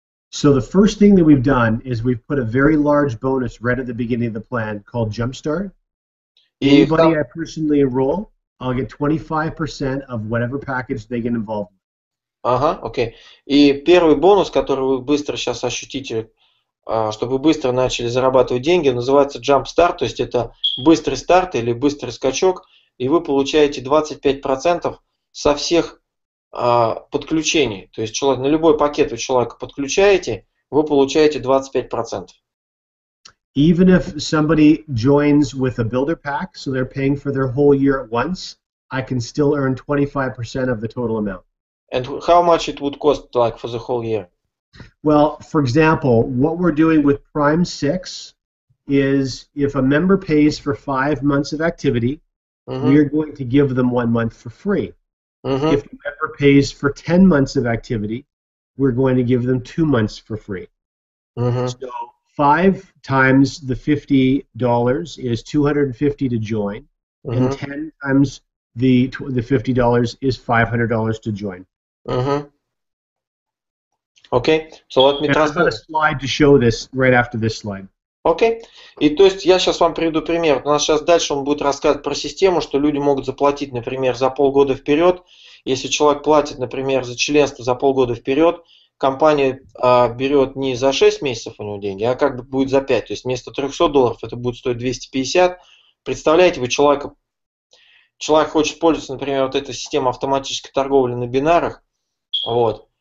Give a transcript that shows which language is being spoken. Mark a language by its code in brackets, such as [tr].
[en] So the first thing that we've done is we've put a very large bonus right at the beginning of the plan called Jumpstart. Anybody I personally enroll, I'll get 25% of whatever package they get involved with. [ru] Ага, окей. И первый бонус, который вы быстро сейчас ощутите, чтобы быстро начали зарабатывать деньги, называется jump start, то есть это быстрый старт или быстрый скачок, и вы получаете 25% со всех подключений. То есть на любой пакет вы человека подключаете, вы получаете 25%. [en] Even if somebody joins with a builder pack, so they're paying for their whole year at once, I can still earn 25% of the total amount. And how much it would cost like for the whole year? Well, for example, what we're doing with Prime 6 is if a member pays for 5 months of activity, Mm-hmm. We are going to give them 1 month for free. Mm-hmm. If the member pays for 10 months of activity, we're going to give them 2 months for free. Mm-hmm. So five times the $50 is $250 to join, mm-hmm. and 10 times the $50 is $500 to join. Mm-hmm. Okay, so let me translate. I've got a slide to show this right after this slide. [ru] Окей. Okay. И то есть я сейчас вам приведу пример. У нас сейчас дальше он будет рассказывать про систему, что люди могут заплатить, например, за полгода вперед. Если человек платит, например, за членство за полгода вперед, компания берет не за 6 месяцев у него деньги, а как бы будет за 5. То есть вместо $300 это будет стоить 250. Представляете, вы человек хочет пользоваться, например, вот этой системой автоматической торговли на бинарах. Вот.